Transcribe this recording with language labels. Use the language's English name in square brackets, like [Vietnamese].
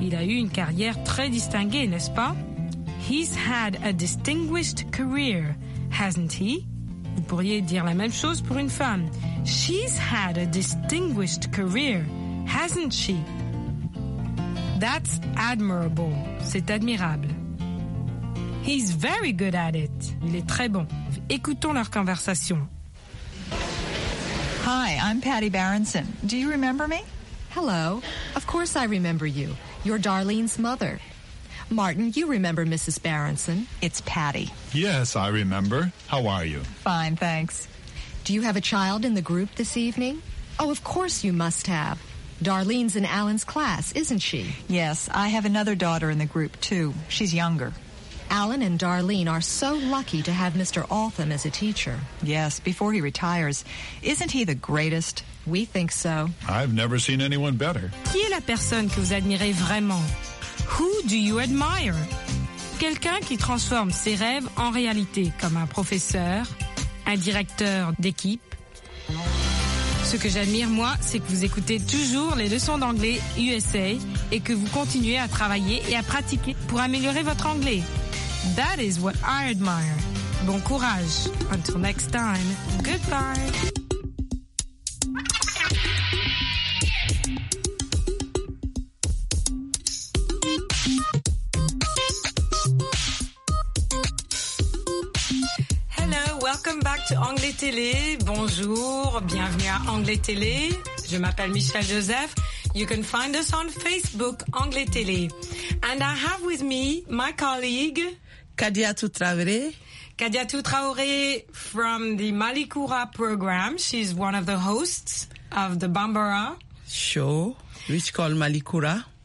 [French] Il a eu une carrière très distinguée, n'est-ce pas ?« [English] He's had a distinguished career, hasn't he ?» [French] Vous pourriez dire la même chose pour une femme. [English] She's had a distinguished career, hasn't she? That's admirable. [French] C'est admirable. [English] He's very good at it. [French] Il est très bon. Écoutons leur conversation. [English] Hi, I'm Patty Berenson. Do you remember me? Hello. Of course I remember you. You're Darlene's mother. Martin, you remember Mrs. Berenson. It's Patty. Yes, I remember. How are you? Fine, thanks. Do you have a child in the group this evening? Oh, of course you must have. Darlene's in Alan's class, isn't she? Yes, I have another daughter in the group, too. She's younger. Alan and Darlene are so lucky to have Mr. Altham as a teacher. Yes, before he retires. Isn't he the greatest? We think so. I've never seen anyone better. [French] Qui est la personne que vous admirez vraiment? [English] Who do you admire? [French] Quelqu'un qui transforme ses rêves en réalité, comme un professeur, un directeur d'équipe. Ce que j'admire, moi, c'est que vous écoutez toujours les leçons d'anglais USA et que vous continuez à travailler et à pratiquer pour améliorer votre anglais. [English] That is what I admire. [French] Bon courage. [English] Until next time. Goodbye. Welcome back to Anglais Télé. [French] Bonjour, bienvenue à Anglais Télé. Je m'appelle Michel Joseph. [English] You can find us on Facebook, Anglais Télé. And I have with me my colleague, Kadiatou Traoré. Kadiatou Traoré from the Malikoura program. She's one of the hosts of the Bambara show, which is called Malikoura.